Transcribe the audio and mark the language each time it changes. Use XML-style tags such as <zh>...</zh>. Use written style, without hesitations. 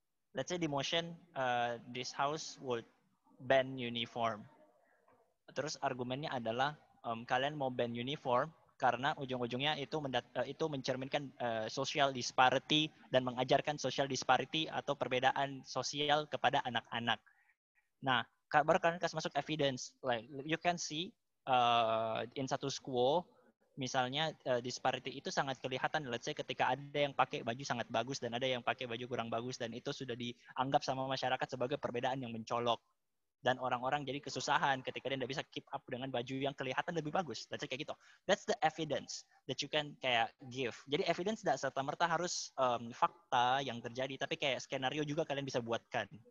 <en>Let's say the motion this house would ban uniform.</en> <id>Terus argumennya adalah kalian mau ban uniform karena ujung-ujungnya itu mencerminkan social disparity dan mengajarkan social disparity atau perbedaan sosial kepada anak-anak. Nah, baru kalian kasih masuk evidence.</id> <en>Like you can see in status quo,</en> <id>misalnya disparity itu sangat kelihatan.</id> <en>Let's say</en> <id>ketika ada yang pakai baju sangat bagus dan ada yang pakai baju kurang bagus dan itu sudah dianggap sama masyarakat sebagai perbedaan yang mencolok. Dan orang-orang jadi kesusahan ketika dia tidak bisa keep up dengan baju yang kelihatan lebih bagus.</id> <en>Let's say</en> <id>kayak gitu.</id> <en>That's the evidence that you can</en> <id>kayak</id> <en>give.</en> <id>Jadi evidence tidak serta-merta harus fakta yang terjadi, tapi kayak skenario juga kalian bisa buatkan.</id>